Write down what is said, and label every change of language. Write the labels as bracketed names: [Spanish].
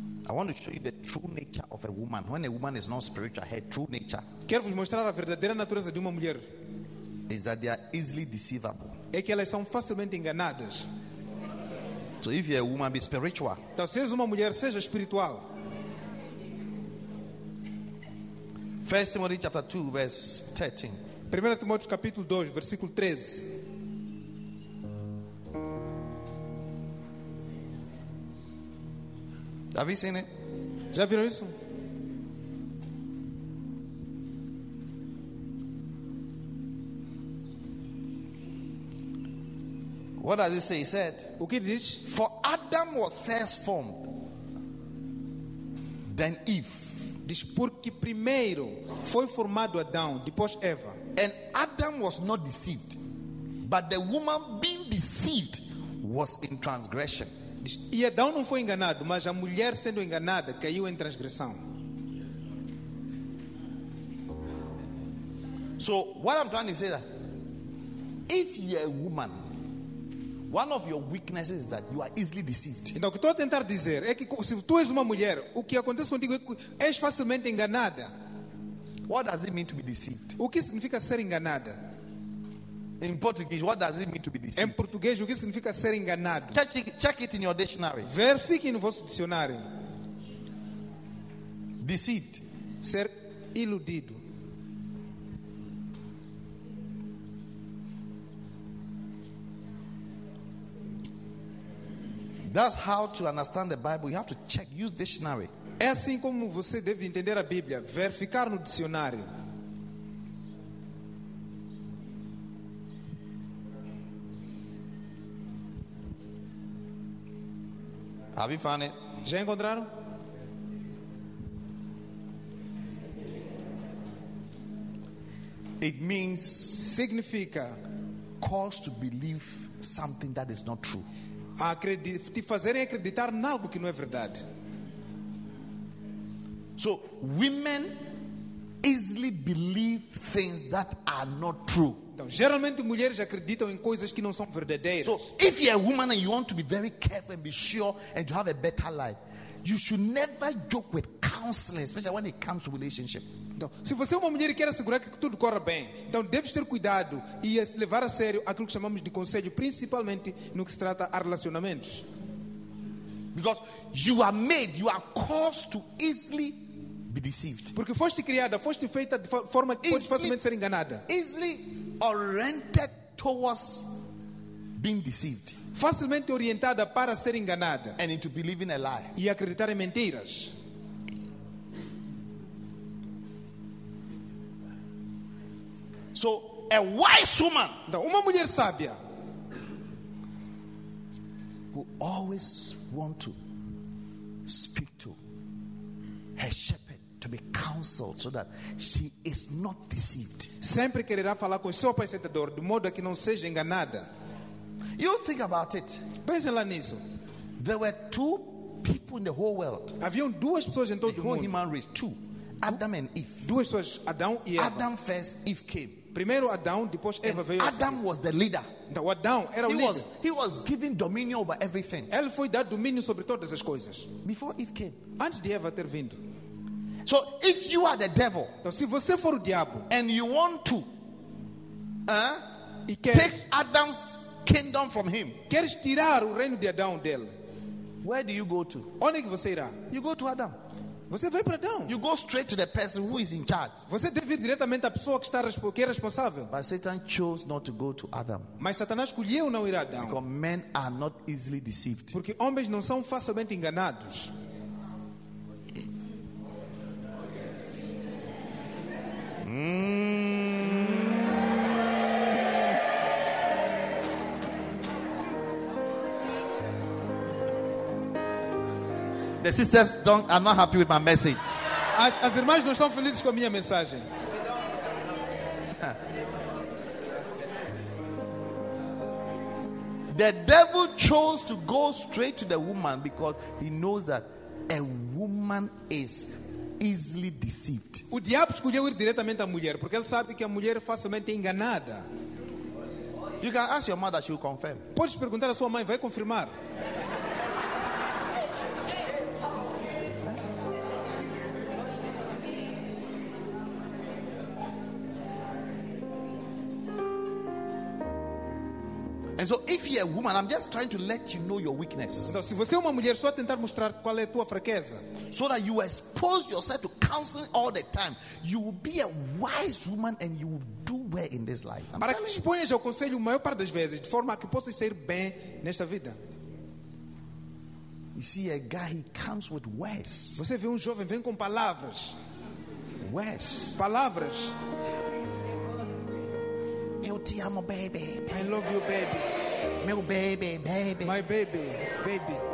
[English] I want to show you the true nature of a woman. When a woman is not spiritual, her true nature. [Portuguese] Quero vos mostrar a verdadeira natureza de uma mulher. [English] Is that they are easily deceivable. [Portuguese] É que elas são facilmente enganadas. [English] So if you're a woman, be spiritual. [Portuguese] Então, se és uma mulher, seja espiritual. [English] 1 Timothy chapter 2, verse 13. [Portuguese] 1 Timóteo capítulo 2, versículo 13. [English] Have you seen it? [Portuguese] Já viram isso? [English] What does it say? He said, [Portuguese] o que diz? [English] For Adam was first formed, then Eve. [Portuguese] Diz porque primeiro foi formado Adão, depois Eva. [English] And Adam was not deceived, but the woman being deceived was in transgression. [Portuguese] Diz, e Adão não foi enganado, mas a mulher sendo enganada caiu em transgressão. [English] So what I'm trying to say is that if you're a woman, one of your weaknesses is that you are easily deceived. [Portuguese] Então o que estou a tentar dizer é que se tu és uma mulher, o que acontece contigo é que és facilmente enganada. [English] What does it mean to be deceived? [Portuguese] O que significa ser enganada? [English] In Portuguese, what does it mean to be deceived? [Portuguese] Em português, o que significa ser enganado? [English] Check it in your dictionary. [Portuguese] Verifique no vosso dicionário. [English] Deceit. [Portuguese] Ser iludido. [English] That's how to understand the Bible. You have to check, use dictionary. [Portuguese] É assim como você deve entender a Bíblia, verificar no dicionário. [English] Have you found it? [Portuguese] Já encontraram? [English] It means [Portuguese] significa [English] cause to believe something that is not true. [Portuguese] Te fazerem acreditar em algo que não é verdade. [English] So women easily believe things that are not true. [Portuguese] Então, geralmente mulheres acreditam em coisas que não são verdadeiras. [English] So if you're a woman and you want to be very careful and be sure and to have a better life, you should never joke with counseling, especially when it comes to relationship. [Portuguese] Então, se você é uma mulher e quer assegurar que tudo corra bem, então deves ter cuidado e levar a sério aquilo que chamamos de conselho, principalmente no que se trata a relacionamentos. [English] Because you are made, you are caused to easily be deceived. [Portuguese] Porque foste criada, foste feita de forma que podes facilmente ser enganada. [English] Easily oriented towards being deceived. [Portuguese] Facilmente orientada para ser enganada. [English] And into believing a lie. [Portuguese] E acreditar em mentiras. [English] So, a wise woman, [Portuguese] uma mulher sábia, [English] who always want to speak to her shepherd to be counseled so that she is not deceived. [Portuguese] Sempre quererá falar com seu apacentador de modo que não seja enganada. [English] You think about it. [Portuguese] Pense lá nisso. [English] There were two people in the whole world. [Portuguese] Haviam duas pessoas em todo [English] the whole [Portuguese] mundo. [English] Human race, two. Adam and Eve. [Portuguese] Duas pessoas, Adão e Eva. [English] Adam first, Eve came. [Portuguese] Primeiro Adão, depois Eva veio. [English] Adam was the leader. [Portuguese] Então Adão era o líder. [English] He was given dominion over everything. [Portuguese] Ele foi dado domínio sobre todas as coisas. [English] Before Eve came. [Portuguese] Antes de Eva ter vindo. [English] So if you are the devil, [Portuguese] então se você for o diabo, [English] and you want to, take Adam's kingdom from him, [Portuguese] queres tirar o reino de Adão dele, [English] where do you go to? [Portuguese] Onde que você irá? [English] You go to Adam. [Portuguese] Você vai para Adão. [English] You go straight to the person who is in charge. [Portuguese] Você deve ir diretamente à pessoa que é responsável. [English] But Satan chose not to go to Adam. [Portuguese] Mas Satanás escolheu não ir a Adão. [English] Because men are not easily deceived. [Portuguese] Porque homens não são facilmente enganados. [English] The sisters are not happy with my message. [Portuguese] As irmãs não estão felizes com a minha mensagem. [English] The devil chose to go straight to the woman because he knows that a woman is easily deceived. [Portuguese] O diabo escolheu ir diretamente à mulher porque ele sabe que a mulher é facilmente enganada. [English] You can ask your mother, she will confirm. [Portuguese] Pode perguntar à sua mãe, vai confirmar. [English] And so if you're a woman, I'm just trying to let you know your weakness. [Portuguese] Então, se você é uma mulher, só tentar mostrar qual é a tua fraqueza. [English] So that you expose yourself to counseling all the time, you will be a wise woman and you will do well in this life. [Portuguese] Para que te exponhas ao conselho maior parte das vezes, de forma que possas ser bem nesta vida. [English] You see a guy, he comes with words. [Portuguese] Você vê jovem, vem com palavras. [English] Words. [Portuguese] Palavras. Eu te amo, baby. [English] I love you, baby. [Portuguese] Meu baby, baby. [English] My baby, baby.